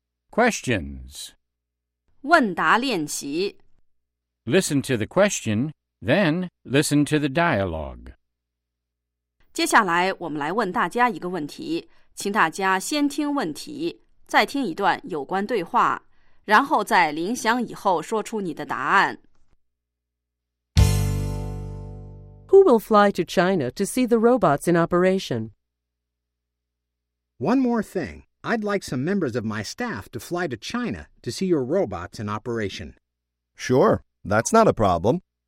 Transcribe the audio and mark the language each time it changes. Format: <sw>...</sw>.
<en>Questions.</en> <zh>问答练习</zh> <en>Listen to the question, then listen to the dialogue.</en> <zh>接下来我们来问大家一个问题，请大家先听问题，再听一段有关对话，然后在铃响以后说出你的答案。</zh> <en>Who will fly to China to see the robots in operation? One more thing. I'd like some members of my staff to fly to China to see your robots in operation. Sure, that's not a problem.</en>